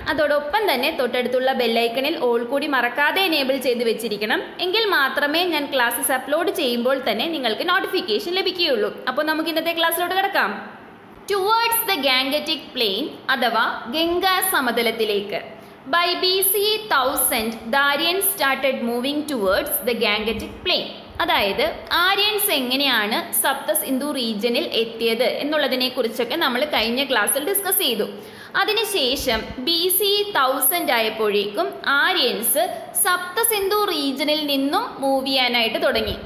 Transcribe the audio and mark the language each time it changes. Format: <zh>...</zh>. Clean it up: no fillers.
<ml>അതോടൊപ്പം തന്നെ തൊട്ടടുത്തുള്ള ബെല്ലൈക്കണിൽ ഓൾ കൂടി മറക്കാതെ എനേബിൾ ചെയ്ത് വെച്ചിരിക്കണം. എങ്കിൽ മാത്രമേ ഞാൻ ക്ലാസ്സസ് അപ്ലോഡ് ചെയ്യുമ്പോൾ തന്നെ നിങ്ങൾക്ക് നോട്ടിഫിക്കേഷൻ ലഭിക്കുകയുള്ളൂ. അപ്പോൾ നമുക്ക് ഇന്നത്തെ ക്ലാസ്സിലോട്ട് കടക്കാം.</ml> <en>towards the Gangetic plain</en> <ml>അഥവാ Ganga സമതലത്തിലേക്ക്.</ml> <en>By BCE 1000, the Aryans started moving towards the Gangetic Plain.</en> <ml>അതായത് ആര്യൻസ് എങ്ങനെയാണ് സപ്തസിന്ധു റീജിയനിൽ എത്തിയത് എന്നുള്ളതിനെ കുറിച്ചൊക്കെ നമ്മൾ കഴിഞ്ഞ ക്ലാസ്സിൽ ഡിസ്കസ് ചെയ്തു. അതിനുശേഷം BCE 1000 ആയപ്പോഴേക്കും ആര്യൻസ് സപ്തസിന്ധു റീജിയനിൽ നിന്നും മൂവ് ചെയ്യാനായിട്ട് തുടങ്ങി.</ml>